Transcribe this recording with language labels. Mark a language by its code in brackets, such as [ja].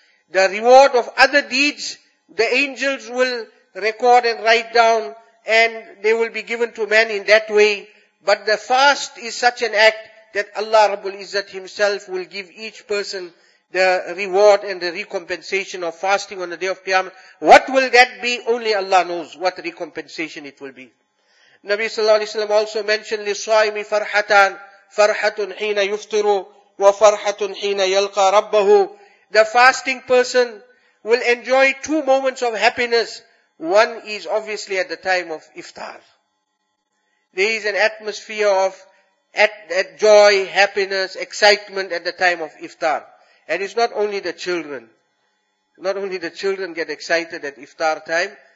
[en] The reward of other deeds, the angels will record and write down, and they will be given to man in that way. But the fast is such an act that Allah Rabbul Izzat himself will give each person the reward and the recompensation of fasting on the day of Qiyamah. What will that be? Only Allah knows what recompensation it will be. Nabi sallallahu alayhi wa sallam also mentioned, [ar] لِصَائِمِ فَرْحَتَانْ فَرْحَةٌ حِينَ يُفْتِرُ وَفَرْحَةٌ حِينَ يَلْقَى رَبَّهُ. [en] The fasting person will enjoy two moments of happiness. One is obviously at the time of iftar. There is an atmosphere of at joy, happiness, excitement at the time of iftar. And it's not only the children. Not only the children get excited at iftar time.